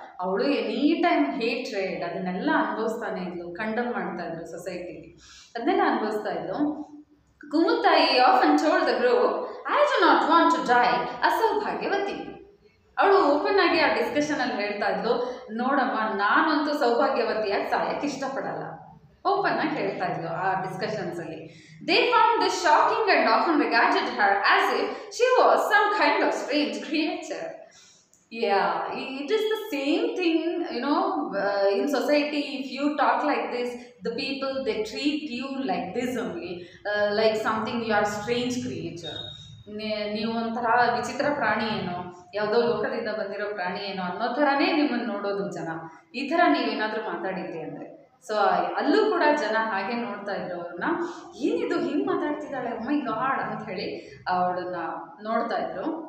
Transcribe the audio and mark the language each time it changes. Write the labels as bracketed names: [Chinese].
[Kannada] ಅವಳು any time ಹೇಟ್ರೇಡ್ ಅದನ್ನೆಲ್ಲ ಅನುಭವಿಸ್ತಾನೆ ಇದ್ಲು, ಕಂಡಮ್ ಮಾಡ್ತಾ ಇದ್ರು ಸೊಸೈಟಿಲಿ, ಅದನ್ನೆಲ್ಲ ಅನುಭವಿಸ್ತಾ ಇದ್ಲು. [English] ಕುಮುದ್ ತಾಯಿ often told the group, I do not want to die ಅಸೌಭಾಗ್ಯವತಿ. [Kannada] ಅವಳು ಓಪನ್ ಆಗಿ ಆ ಡಿಸ್ಕಷನಲ್ಲಿ ಹೇಳ್ತಾ ಇದ್ಲು, ನೋಡಮ್ಮ ನಾನಂತೂ ಸೌಭಾಗ್ಯವತಿಯಾಗಿ ಸಾಯಕ್ಕೆ ಇಷ್ಟಪಡಲ್ಲ, ಓಪನ್ ಆಗಿ ಹೇಳ್ತಾ ಇದ್ಲು ಆ ಡಿಸ್ಕಷನ್ಸಲ್ಲಿ. [English] They found this shocking and often regarded her as if she was some kind of strange creature. Yeah, it is the same thing, you know, in society, if you talk like this, the people, they treat you like this only, like something you are strange creature. [Kannada] ನೀವು ಒಂಥರ ವಿಚಿತ್ರ ಪ್ರಾಣಿ ಏನೋ, ಯಾವುದೋ ಲೋಕದಿಂದ ಬಂದಿರೋ ಪ್ರಾಣಿ ಏನೋ ಅನ್ನೋ ಥರನೇ ನಿಮ್ಮನ್ನು ನೋಡೋದು ಜನ, ಈ ಥರ ನೀವೇನಾದರೂ ಮಾತಾಡಿದ್ದೆ ಅಂದರೆ. ಸೊ ಅಲ್ಲೂ ಕೂಡ ಜನ ಹಾಗೆ ನೋಡ್ತಾ ಇದ್ರು ಅವ್ರನ್ನ, ಏನಿದು ಹಿಂಗೆ ಮಾತಾಡ್ತಿದ್ದಾಳೆ [English] my god [Kannada] ಅಂತ ಹೇಳಿ ಅವಳನ್ನ ನೋಡ್ತಾ ಇದ್ರು.